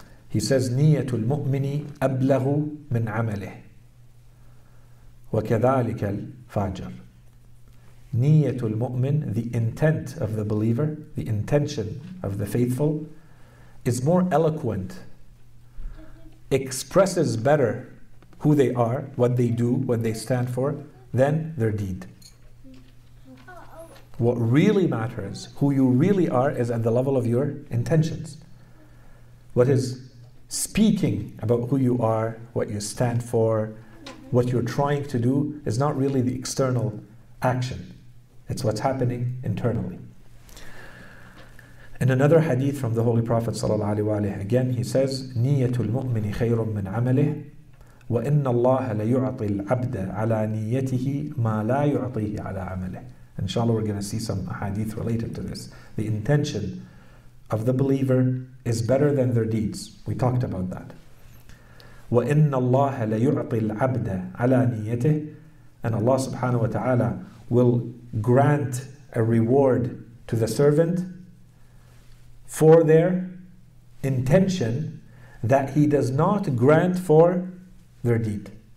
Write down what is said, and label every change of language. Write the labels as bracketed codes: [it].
[en] He says, [ar] نِيَّةُ الْمُؤْمِنِ أَبْلَغُ مِنْ عَمَلِهِ وَكَذَلِكَ الْفَاجَرِ. نِيَّةُ الْمُؤْمِنِ, [en] the intent of the believer, the intention of the faithful, is more eloquent, expresses better who they are, what they do, what they stand for, than their deed. What really matters, who you really are, is at the level of your intentions. What is speaking about who you are, what you stand for, what you're trying to do, is not really the external action. It's what's happening internally. In another hadith from the Holy Prophet sallallahu alaihi wasallam, again he says, [ar] نِيَّةُ الْمُؤْمِنِ خَيْرٌ مِّنْ عَمَلِهِ وَإِنَّ اللَّهَ لَيُعْطِي الْعَبْدَ عَلَى نِيَّتِهِ مَا لَا يُعْطِيهِ عَلَى عَمَلِهِ. [en] Inshallah, we're going to see some hadith related to this. The intention of the believer is better than their deeds. We talked about that. [ar] وَإِنَّ اللَّهَ لَيُعْطِي الْعَبْدَ عَلَى نِيَّتِهِ, [en] and Allah subhanahu wa ta'ala will grant a reward to the servant for their intention that he does not grant for their deed.